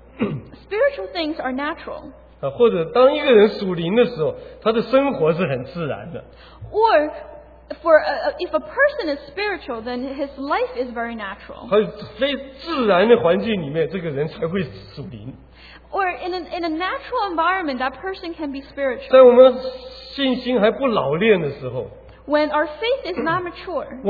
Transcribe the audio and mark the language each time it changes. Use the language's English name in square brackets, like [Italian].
[English] spiritual things are natural. [Chinese] 或者当一个人属灵的时候,他的生活是很自然的。 [English] Or for if a person is spiritual, then his life is very natural. [Chinese] 在非自然的环境里面,这个人才会属灵。 [English] Or in a natural environment, that person can be spiritual. [Chinese] 在我们信心还不老练的时候, [English] when our faith is not mature,